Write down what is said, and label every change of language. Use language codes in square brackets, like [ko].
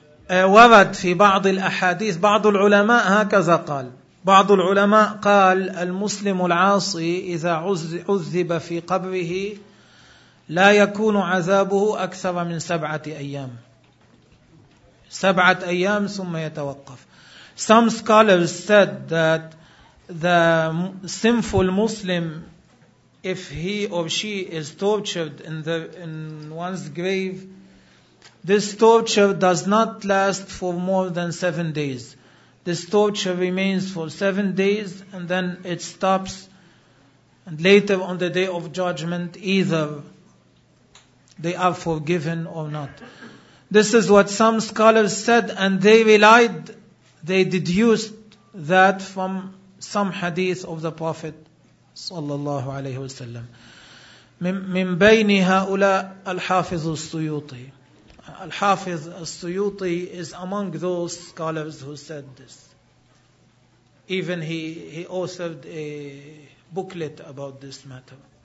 [ar] ورد في بعض الأحاديث، بعض العلماء هكذا قال، بعض العلماء قال المسلم العاصي إذا عذب في قبره لا يكون عذابه أكثر من 7 أيام، 7 أيام ثم يتوقف. [en] Some scholars said that the sinful Muslim, if he or she is tortured in one's grave, this torture does not last for more than 7 days. This torture remains for 7 days and then it stops. And later on the day of judgment, either they are forgiven or not. This is what some scholars said, and they relied, they deduced that from some hadith of the Prophet sallallahu alayhi wa sallam. [ar] من بين هؤلاء الحافظ السيوطي. [en] الحافظ السيوطي is among those scholars who said this. Even he authored a booklet about this matter.